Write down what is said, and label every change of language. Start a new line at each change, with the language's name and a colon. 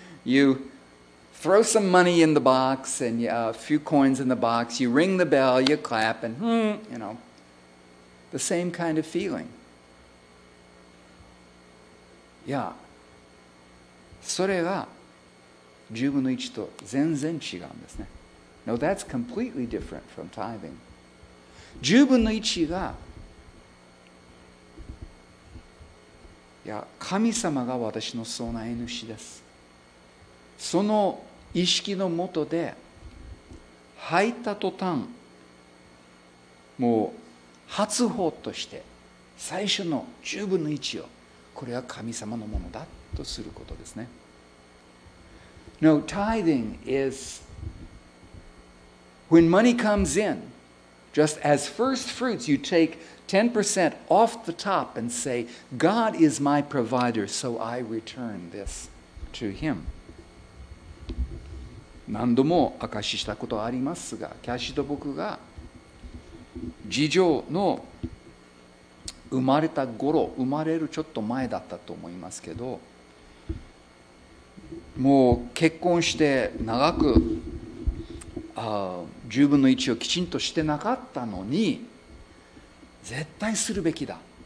English: You throw some money in the box and a few coins in the box, you ring the bell, you clap and you know, the same kind of feeling
Japanese: いや、それが 10分の1と全然違うんですね。
English: Now that's completely different from tithing.
Japanese: 10分の1が、いや、神様が私の備え主です。その意識のもとで、入った途端、もう発砲として、最初の10分の1を、これは神様のものだとすることですね。
English: No, tithing is when money comes in, just as first fruits, you take 10% off the top and say, God is my provider, so I return this to him.
Japanese: 何度も証ししたことありますが、キャシーと僕が事情の生まれた頃、生まれるちょっと前だったと思いますけど、もう結婚して長く10分の1をきちんとしてなかったのに、絶対するべきだ。